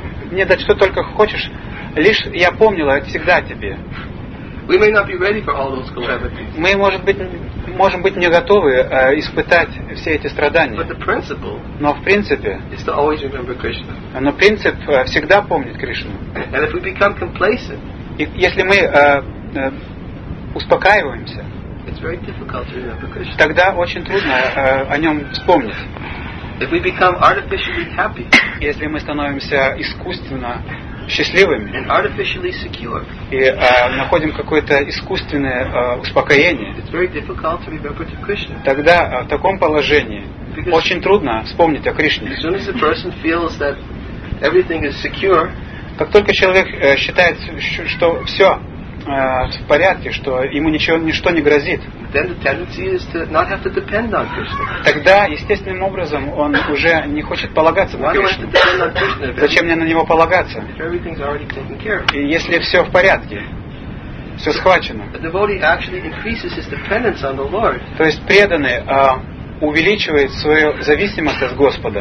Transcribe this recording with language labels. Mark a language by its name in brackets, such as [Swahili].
[Russian] Мне дать что только хочешь, лишь я помнила всегда о тебе. [English] We may not be ready for all those calamities. [Russian] Мы, может быть, не готовы испытать все эти страдания. [English] But the principle. [Russian] Но в принципе. [English] Is to always remember Krishna. [Russian] Но принцип всегда помнить Кришну. [English] And if we become complacent. [Russian] И если мы успокаиваемся. [English] It's very difficult to remember Krishna. [Russian] Тогда очень трудно о нем вспомнить. [English] If we become artificially happy. [Russian] Если мы становимся искусственно счастливыми. [English] And artificially secure. [Russian] И находим какое-то искусственное успокоение. [English] It's very difficult to remember to Krishna. [Russian] Тогда в таком положении because очень трудно вспомнить о Кришне. [English] As soon as the person feels that everything is secure. [Russian] Как только человек считает, что все в порядке, что ему ничто не грозит. [English] Then the tendency is to not have to depend on Krishna. [Russian] Тогда естественным образом он уже не хочет полагаться на Кришну. Зачем мне на него полагаться? [English] If everything's already taken care of. [Russian] И если все в порядке, все схвачено. [English] The devotee actually increases his dependence on the Lord. [Russian] То есть преданный увеличивает свою зависимость от Господа.